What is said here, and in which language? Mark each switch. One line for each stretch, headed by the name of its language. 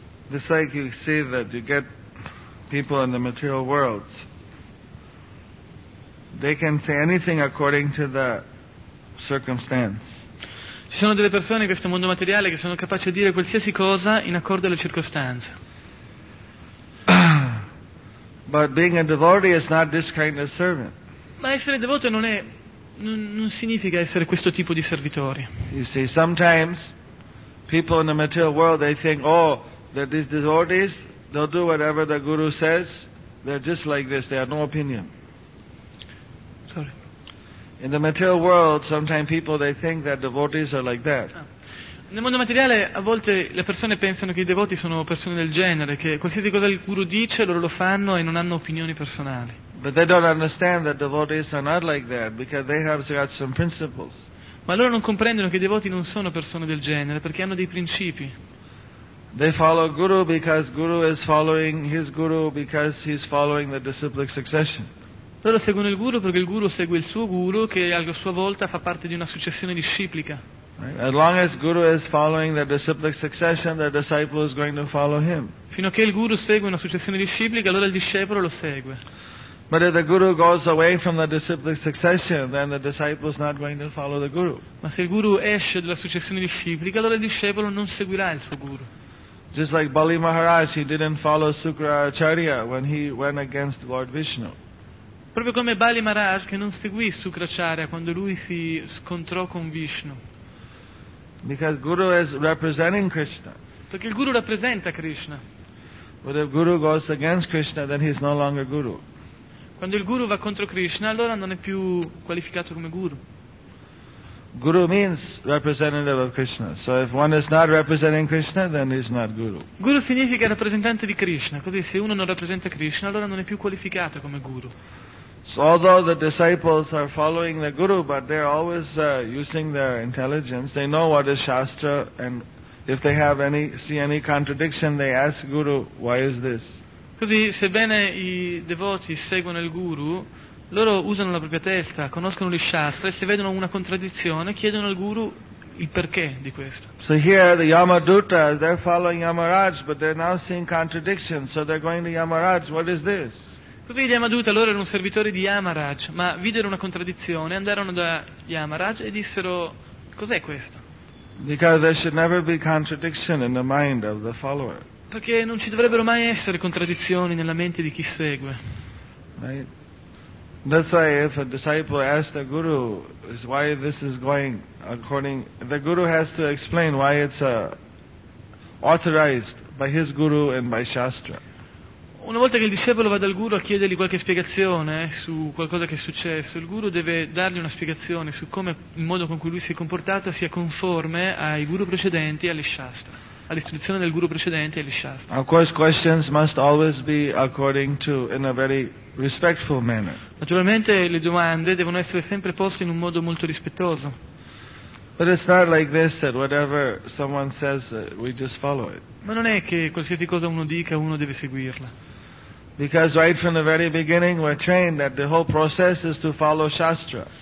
English: It's like you see that you get people in the material world. They can say anything according to the circumstance.
Italian: Ci sono delle persone in questo mondo materiale che sono capaci di dire qualsiasi cosa in accordo alle circostanze.
English: But being a devotee is not this kind of servant.
Italian: Ma essere devoto non significa essere questo tipo di servitori.
English: You see, sometimes people in the material world they think, that these devotees they'll do whatever the guru says. They're just like this. They have no opinion. Sorry. In the material world, sometimes people they think that devotees are like that.
Italian: Nel mondo materiale, a volte le persone pensano che i devoti sono persone del genere, che qualsiasi cosa il guru dice, loro lo fanno e non hanno opinioni personali.
English: But they don't understand that devotees are not like that because they have got some principles.
Italian: Ma loro non comprendono che i devoti non sono persone del genere perché hanno dei principi.
English: They follow guru because guru is following his guru because he's following the disciplic succession.
Italian: Loro seguono il guru perché il guru segue il suo guru che a sua volta fa parte di una successione disciplica.
English: As long as guru is following the disciplic succession, the disciple is going to follow him.
Italian: Fino a che il guru segue una successione disciplica, allora il discepolo lo segue.
English: But if the guru goes away from the disciplic succession, then the disciple is not going to follow the guru.
Italian: Ma se il guru esce dalla successione disciplica, allora il discepolo non seguirà il suo guru.
English: Just like Bali Maharaj, he didn't follow Sukracharya when he went against Lord Vishnu.
Italian: Proprio come Bali Maharaj che non seguì Sukracharya quando lui si scontrò con Vishnu.
English: Because Guru is representing Krishna.
Italian: Perché il Guru rappresenta Krishna.
English: But if Guru goes against Krishna, then he is no longer Guru.
Italian: Quando il guru va contro Krishna, allora non è più qualificato come guru.
English: Guru means representative of Krishna. So if one is not representing Krishna, then he's not guru.
Italian: Guru significa rappresentante di Krishna. Così se uno non rappresenta Krishna, allora non è più qualificato come guru.
English: So although the disciples are following the guru, but they're always using their intelligence. They know what is shastra, and if they have any see any contradiction, they ask guru, why is this?
Italian: Così, sebbene i devoti seguono il guru, loro usano la propria testa, conoscono gli shastra e se vedono una contraddizione chiedono al guru il perché di questo.
English: So here the Yamaduta, they're following Yamaraj, but they're now seeing contradictions, so they're going to Yamaraj, what is this?
Italian: Così gli Yamaduta, loro erano servitori di Yamaraj, ma videro una contraddizione, andarono da Yamaraj e dissero, cos'è questo?
English: Because there should never be contradiction in the mind of the follower.
Italian: Perché non ci dovrebbero mai essere contraddizioni nella mente di chi segue.
English: Right. That's why if a disciple asks the guru why this is going according, the guru has to explain why it's authorized by his guru and by shastra.
Italian: Una volta che il discepolo va dal guru a chiedergli qualche spiegazione su qualcosa che è successo, il guru deve dargli una spiegazione su come il modo con cui lui si è comportato sia conforme ai guru precedenti e alle shastra. All'istruzione del guru precedente e agli shastra.
English: Of course, questions must always be according to, in a very respectful manner.
Italian: Naturalmente, le domande devono essere sempre poste in un modo molto rispettoso.
English: But it's not like this that whatever someone says, we just follow it.
Italian: Ma non è che qualsiasi cosa uno dica, uno deve seguirla.
English: Because right from the very beginning, we're trained that the whole process is to follow shastra.